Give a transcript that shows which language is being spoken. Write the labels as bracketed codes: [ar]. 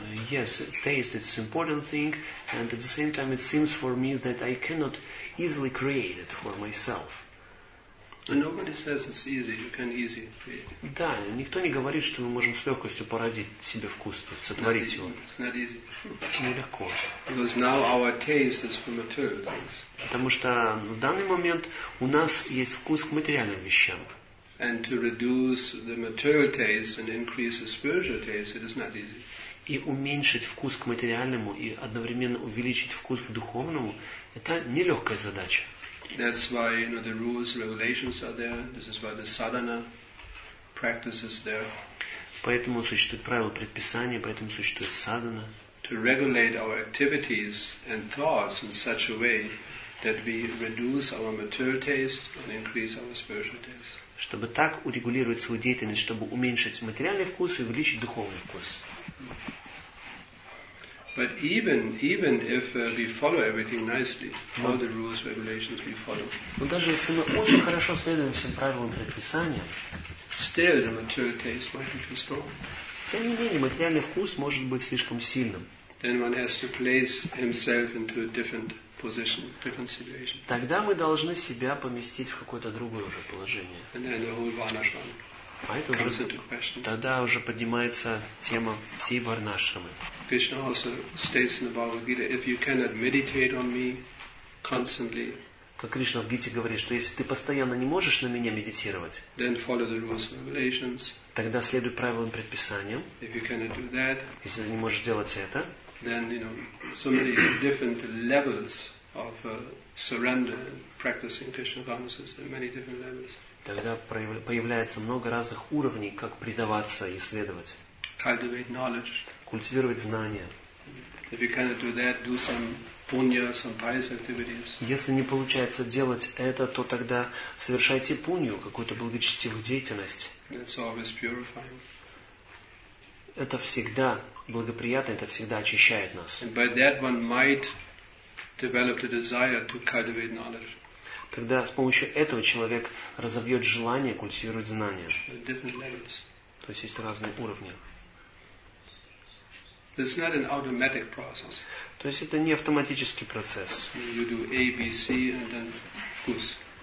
[en] Yes, taste, it's an important thing, and at the same time, it seems for me that I cannot easily create it for myself. Nobody says it's easy. You can easily create. [ru] Да, никто не говорит, что мы можем с легкостью породить себе вкус, сотворить его. [en] It's not easy. [ru] Нелегко. [en] Because now our taste is for material things. [ru] Потому что в данный момент у нас есть вкус к материальным вещам. [en] And to reduce the material taste and increase the spiritual taste, it is not easy. [ru] И уменьшить вкус к материальному и одновременно увеличить вкус к духовному – это нелегкая задача. [en] That's why you know the rules, regulations are there. This is why the sadhana practice is there. [ru] Поэтому существуют правила предписания, поэтому существует садхана. [en] To regulate our activities and thoughts in such a way that we reduce our material taste and increase our spiritual taste. [ru] чтобы так урегулировать свою деятельность, чтобы уменьшить материальный вкус и увеличить духовный вкус. [en] But even if we follow everything nicely, all the rules, regulations we follow. [ru] Но даже если мы очень хорошо следуем всем правилам предписания, [en] still the material taste might be too strong. [ru] Тем не менее, материальный вкус может быть слишком сильным. [en] Then one has to place himself into a different position, different situation. [ru] Тогда мы должны себя поместить в какое-то другое уже положение. [en] And then the whole Varnashram. [ru] А это уже тогда уже поднимается тема всей Варнашрамы. [en] Krishna also states in the Bhagavad Gita, if you cannot meditate on me constantly. [ru] Как Кришна в Гите говорит, что если ты постоянно не можешь на меня медитировать, [en] then follow the rules and regulations. [ru] Тогда следуй правилам предписаниям. [en] If you cannot do that, [ru] если ты не можешь делать это, [en] then you know so many different levels of surrender and practicing Krishna consciousness, there are many different levels. [ru] Тогда появляется много разных уровней, как предаваться и следовать. [en] Cultivate knowledge. [ru] Культивировать знания. [en] If you cannot do that, do some punya, some pious activities. [ru] Если не получается делать это, то тогда совершайте пунью, какую-то благочестивую деятельность. [en] That's always purifying. [ru] Это всегда благоприятно, это всегда очищает нас. [en] And by that one might develop the desire to cultivate knowledge. [ru] Тогда с помощью этого человек разовьет желание культивировать знания. То есть есть разные уровни. [en] It's not an automatic process. [ru] То есть это не автоматический процесс. [en] You do A, B, C, and then [ru] вкус.